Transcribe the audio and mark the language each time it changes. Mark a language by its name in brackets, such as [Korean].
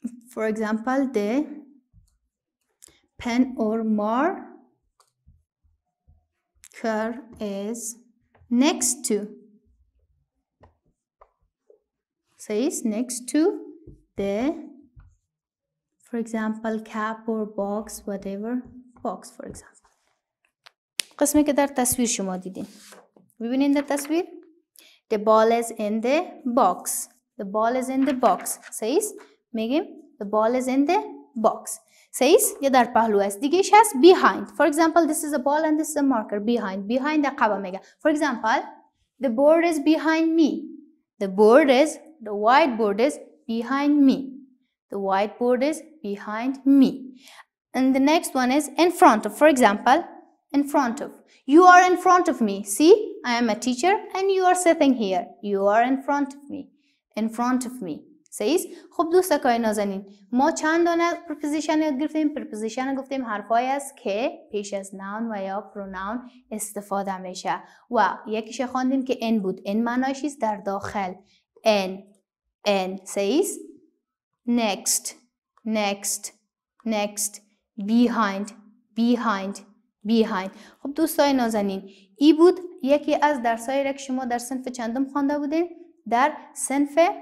[English] For example, the pen or marker is next to. Says next to the, for example, cap or box, whatever. Box, for example. [Persian] قسمی که در تصویر شما دیدین. ببینین در تصویر. [English] The ball is in the box. The ball is in the box. Says, میگیم. The ball is in the box. [Persian] Says, یا در پهلو است. دیگه هست behind. [English] For example, this is a ball and this is a marker. Behind. Behind [Persian] عقب میگه. [English] For example, the board is behind me. The board is, the white board is behind me. The white board is behind me. And the next one is in front of. For example, in front of. You are in front of me. See, I am a teacher and you are sitting here. You are in front of me. In front of me. [Persian] سیز خب دوستکای نازنین ما چند دانه پرپوزیشن یاد گرفتیم پرپوزیشن رو گفتیم حرفای است که پیش از نون و یا پرونون استفاده میشه و یکیش خواندیم که ان بود ان معناش است در داخل [English] ان ان سیز next next next behind behind [Persian] بیهیند خب دوستای نازنین ای بود یکی از درسای را که شما در صنف چندم خوانده بودین در صنف